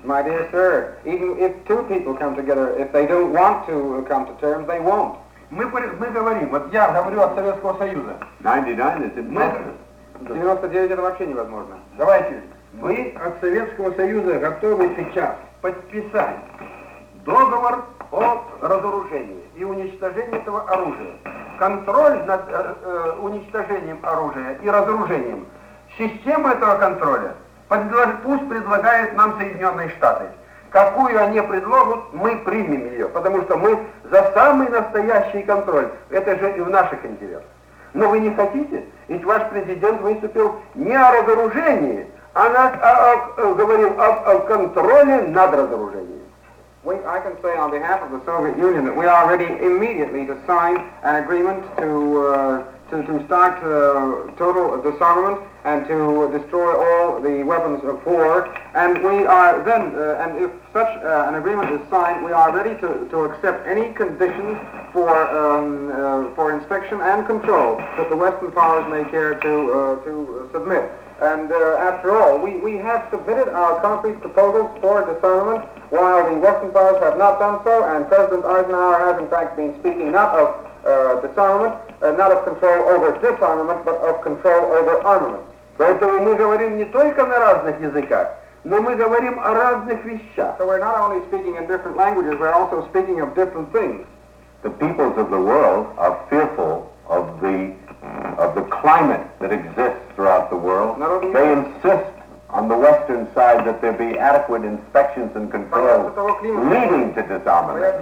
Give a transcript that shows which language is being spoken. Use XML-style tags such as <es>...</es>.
<en>My dear sir, even if two people come together, if they don't want to come to terms, they won't.</en> <ru>Мы говорим, вот я говорю от Советского Союза. 99 это вообще невозможно. Давайте, мы от Советского Союза готовы сейчас подписать договор о разоружении и уничтожении этого оружия. Контроль над уничтожением оружия и разоружением. Систему этого контроля пусть предлагают нам Соединенные Штаты. Какую они предложат, мы примем ее, потому что мы за самый настоящий контроль. Это же и в наших интересах. Но вы не хотите, ведь ваш президент выступил не о разоружении, а говорил о контроле над разоружением.</ru> <en>I can say on behalf of the Soviet Union that we are ready immediately to sign an agreement to start total disarmament and to destroy all the weapons of war. And we are then, and if such an agreement is signed, we are ready to accept any conditions for inspection and control that the Western powers may care to submit. And after all, we have submitted our concrete proposals for disarmament, while the Western powers have not done so, and President Eisenhower has in fact been speaking not of disarmament, not of control over disarmament, but of control over armament.</en> <ru>Поэтому мы говорим не только на разных языках, но мы говорим о разных вещах.</ru> <en>So we're not only speaking in different languages, we're also speaking of different things. The peoples of the world are fearful of the climate that exists throughout the world. They insist on the western side that there be adequate inspections and controls leading to disarmament.</en>